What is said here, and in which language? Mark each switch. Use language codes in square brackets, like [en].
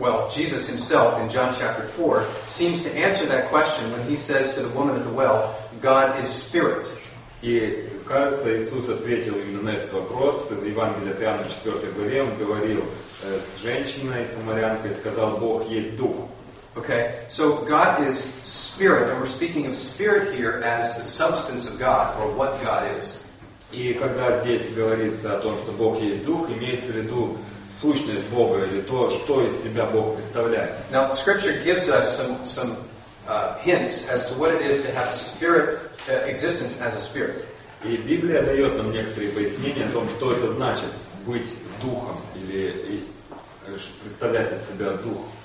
[en] Jesus himself in John chapter 4 seems to answer that question when he says to the woman at the well, God is spirit. [ru] И кажется, Иисус ответил именно на этот вопрос в Евангелии от Иоанна в 4 главе. Он говорил с женщиной самарянкой, сказал, Бог есть дух. [en] Okay, so God is spirit, and we're speaking of spirit here as the substance of God, or what God is. [ru] И когда здесь говорится о том, что Бог есть дух, имеется в виду сущность Бога или то, что из себя Бог представляет. [en] Now, Scripture gives us some hints as to what it is to have spirit existence as a spirit. [ru] И Библия дает нам некоторые пояснения о том, что это значит быть духом или представлять из себя дух.